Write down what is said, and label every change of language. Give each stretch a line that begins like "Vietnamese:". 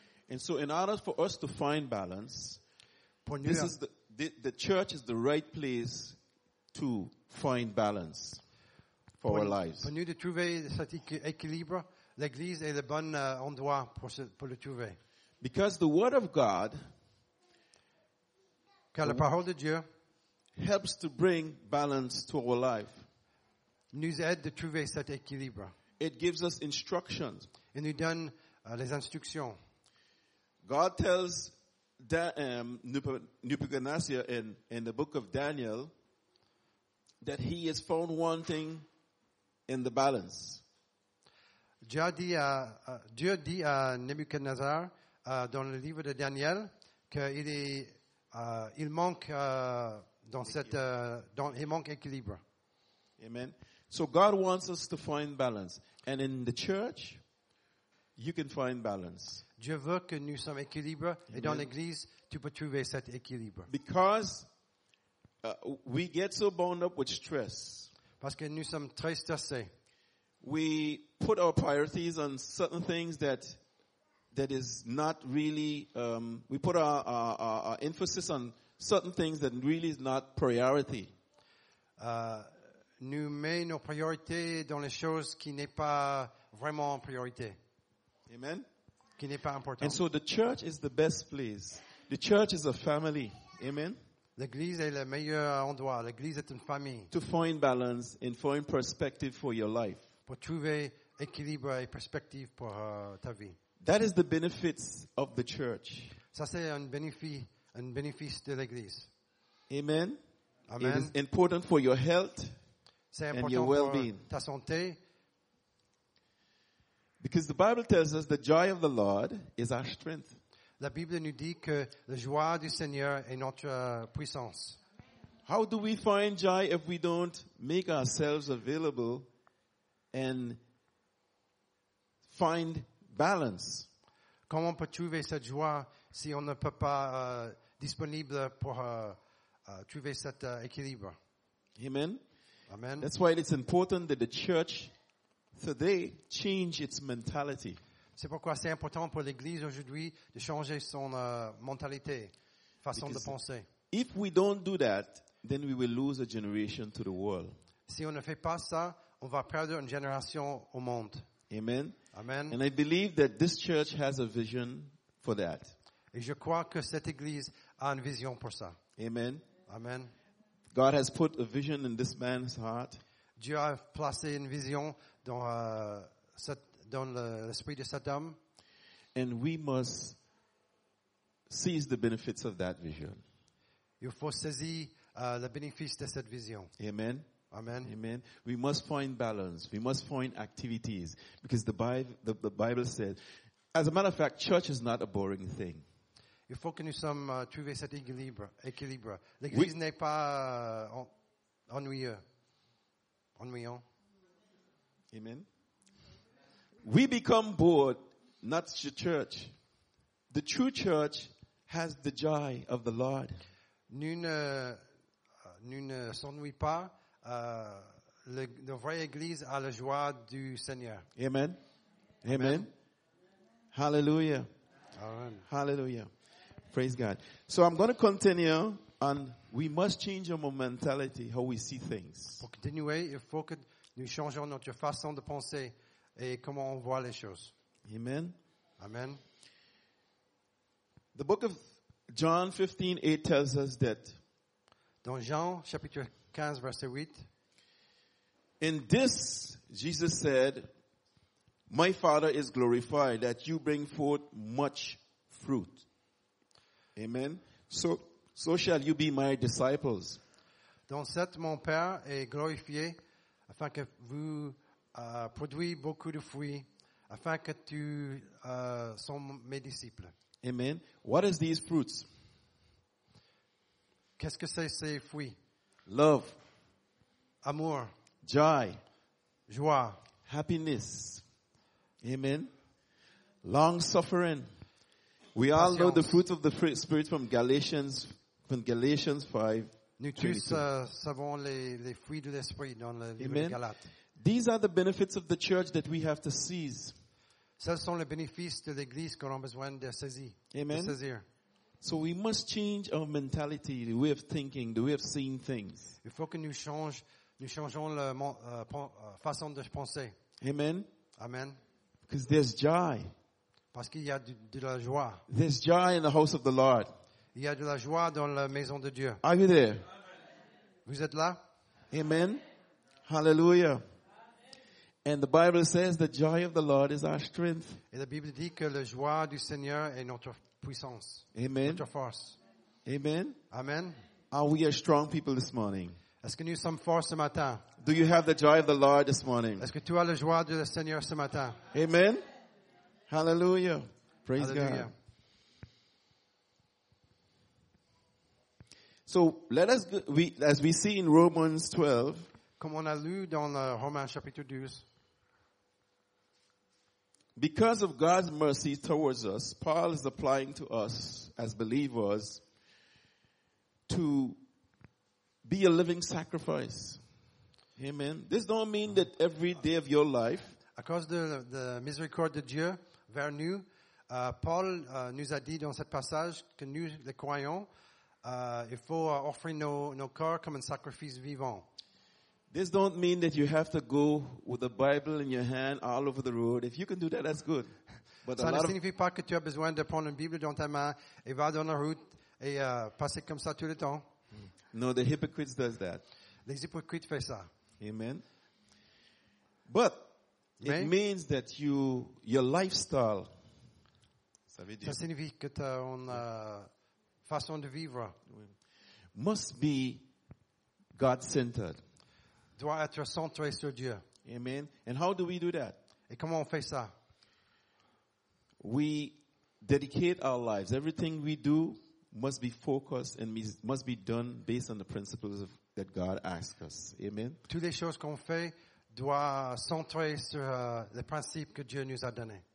English: And so in order for us to find balance,
French: pour
English: this is the church is the right place to find balance for our lives.
French: Pour nous de trouver cet équilibre, l'église est le bon endroit pour le trouver.
English: Because the word of God,
French: car la parole de Dieu,
English: helps to bring balance to our life.
French: Nous aide de trouver cet équilibre.
English: It gives us instructions.
French: Et nous donne les instructions.
English: God tells Nebuchadnezzar in the book of Daniel that he has found one thing in the balance.
French: Dieu dit à Nebuchadnezzar dans le livre de Daniel qu'il est il manque dans cette dans il manque équilibre.
English: Amen. So God wants us to find balance, and in the church, you can find balance.
French: Dieu veut que nous sommes équilibrés, et dans l'église, tu peux trouver cet équilibre.
English: Because we get so bound up with stress.
French: Parce que nous sommes très stressés.
English: We put our priorities on certain things that is not really. We put our emphasis on certain things that really is not priority.
French: Nous met nos priorités dans les choses qui n'est pas vraiment priorité. Amen. Qui n'est pas important.
English: And so the church is the best place. The church is a family. Amen.
French: L'église est le meilleur endroit. L'église est une famille.
English: To find balance and find perspective for your life.
French: Pour trouver équilibre et perspective pour ta vie.
English: That is the benefits of the church.
French: Ça c'est un bénéfice de l'église. Amen. Amen.
English: It is important for your health.
French: C'est important
English: and your well-being.
French: Pour ta santé.
English: Because the Bible tells us the joy of the Lord is our strength.
French: La Bible nous dit que la joie du Seigneur est notre puissance.
English: How do we find joy if we don't make ourselves available and find balance?
French: Comment peut trouver cette joie si on ne peut pas disponible pour trouver cet équilibre? Amen. Amen.
English: That's why it's important that the church today change its mentality.
French: C'est pourquoi c'est important pour l'église aujourd'hui de changer son mentalité, façon
English: Because
French: de penser.
English: If we don't do that, then we will lose a generation to the world.
French: Si on ne fait pas ça, on va perdre une génération au monde. Amen. Amen.
English: And I believe that this church has a vision for that.
French: Et je crois que cette église a une vision pour ça. Amen. Amen.
English: God has put a vision in this man's heart.
French: Dieu a placé une vision dans l'esprit de cet homme.
English: And we must seize the benefits of that vision.
French: Il faut saisir le bénéfice de cette vision. Amen. Amen.
English: Amen. We must find balance. We must find activities. Because the Bible says, as a matter of fact, church is not a boring thing.
French: Il faut que nous sommes trouvés cet équilibre. L'Église n'est pas ennuyant.
English: Amen. We become bored, not the church. The true church has the joy of the Lord.
French: Nous ne s'ennuie pas. La vraie Église a la joie du Seigneur. Amen. Amen. Amen. Hallelujah. Amen. Hallelujah. Praise God.
English: So I'm going to continue, and we must change our mentality, how we see things.
French: Pour continuer, il faut que nous changions notre façon de penser et comment on voit les choses. Amen. Amen.
English: The book of John 15:8 tells us that.
French: Dans Jean chapitre 15 verset 8.
English: In this, Jesus said, "My Father is glorified that you bring forth much fruit." Amen. So shall you be my disciples.
French: Dans cet, mon Père est glorifié afin que vous produisez beaucoup de fruits, afin que tu sois mes disciples.
English: Amen. What is these fruits?
French: Qu'est-ce que c'est ces fruits?
English: Love.
French: Amour.
English: Joy.
French: Joie.
English: Happiness. Amen. Long suffering. We all know the fruit of the Spirit from Galatians 5.
French: Nous tous savons les fruits de l'esprit dans le livre de Galates.
English: These are the benefits of the church that we have to seize.
French: Ce sont les bénéfices de l'église qu'on a besoin de saisir. Amen. De saisir.
English: So we must change our mentality, the way of thinking, the way of seeing things.
French: Il faut que nous changeons la façon de penser. Amen. Amen.
English: Because there's joy.
French: Parce qu'il y a de la joie.
English: There's joy in the house of the Lord.
French: Il y a de la joie dans la maison de Dieu.
English: Are you there?
French: Vous êtes là? Amen. Hallelujah.
English: And the Bible says the joy of the Lord is our strength.
French: Et la Bible dit que la joie du Seigneur est notre puissance. Amen. Notre force. Amen. Amen.
English: Are we a strong people this morning?
French: Est-ce que nous sommes forts ce matin?
English: Do you have the joy of the Lord this morning?
French: Est-ce que tu as la joie du Seigneur ce matin? Amen. Hallelujah. Praise Hallelujah. God.
English: So let us as we see in Romans 12.
French: Comme on a lu dans le Romains chapitre 12.
English: Because of God's mercy towards us, Paul is applying to us as believers to be a living sacrifice. Amen. This don't mean that every day of your life.
French: À cause de la miséricorde de Dieu vers nous, Paul nous a dit dans ce passage que nous les croyons, il faut offrir nos corps comme un sacrifice vivant.
English: This don't mean that you have to go with the Bible in your hand all over the road. If you can do that, that's good.
French: But ça ne signifie pas que tu as besoin de prendre une Bible dans ta main et va dans la route et passer comme ça tout le temps.
English: No, the hypocrites does that.
French: Les hypocrites font ça.
English: Amen. But it means that your lifestyle.
French: Ça veut dire. Ça signifie que tu as une façon de vivre.
English: Must be God-centered.
French: Doit être centré sur Dieu.
English: Amen. And how do we do that?
French: Et comment on fait ça?
English: We dedicate our lives. Everything we do must be focused and must be done based on the principles that God asks us. Amen.
French: Toutes les choses qu'on fait doivent centrer sur les principes que Dieu nous a donnés.